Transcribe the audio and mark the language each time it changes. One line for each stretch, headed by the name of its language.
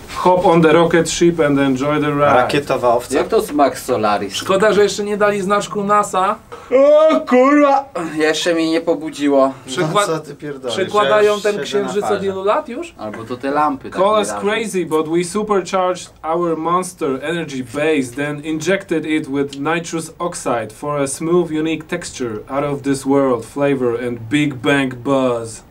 English: Hop on the rocket ship and enjoy the ride.
Polish: Rakietowa owca. Jak to z Max Solaris? Szkoda, że jeszcze nie dali znaczku NASA. O kurwa! Jeszcze mi nie pobudziło. Co ty pierdolisz? Przekładają ten księżyc od wielu lat już? Albo to te lampy.
English: Call us crazy, but we supercharged our monster energy base, then injected it with nitrous oxide for a smooth, unique texture, out of this world flavor and big bang buzz.